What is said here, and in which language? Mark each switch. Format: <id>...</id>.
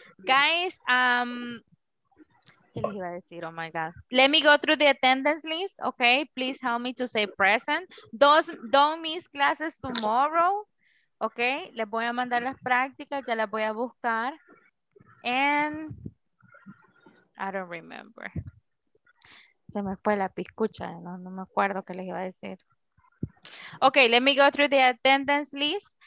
<es>Guys, ¿qué les iba a decir?</es> <en>Oh my God. Let me go through the attendance list, okay? Please help me to say present. Don't miss classes tomorrow, okay?</en> <es>Les voy a mandar las prácticas, ya las voy a buscar.</es> <en>And I don't remember.</en> <es>Se me fue la piscucha, ¿no? No me acuerdo qué les iba a decir.</es> <en>Okay, let me go through the attendance list.</en>